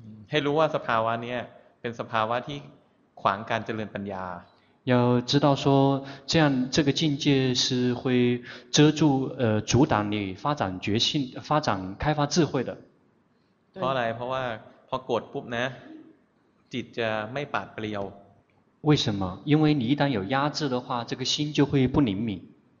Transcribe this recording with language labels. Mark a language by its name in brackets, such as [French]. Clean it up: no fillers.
[Thai] ให้รู้ว่าสภาวะนี้เป็นสภาวะที่ขวางการเจริญปัญญา [Chinese] 要知道说这样这个境界是会遮住阻挡你发展觉性发展开发智慧的 [Thai] เพราะอะไรเพราะว่าพอกดปุ๊บนะจิตจะไม่ปราดเปรียว [Chinese] 为什么因为你一旦有压制的话这个心就会不灵敏